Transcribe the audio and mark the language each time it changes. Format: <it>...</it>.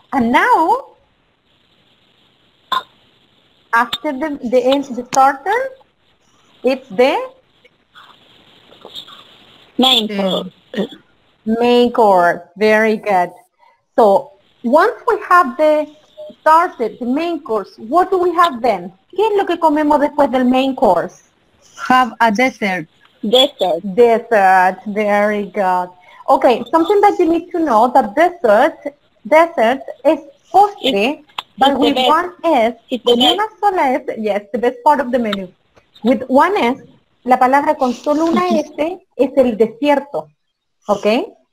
<en>And now, after the end of the starter, it's the? Main course. Main course. Very good. So, once we have the started, the main course, what do we have then?</en> <es>¿Qué es lo que comemos después del main course?</es> <en>Have a dessert. Dessert. Dessert. Very good. Okay, something that you need to know, that dessert is postre, but with one S,</en> <es>una sola S,</es> <en>yes, the best part of the menu. With one S,</en> <es>la palabra con solo una S es el desierto, okay?</es>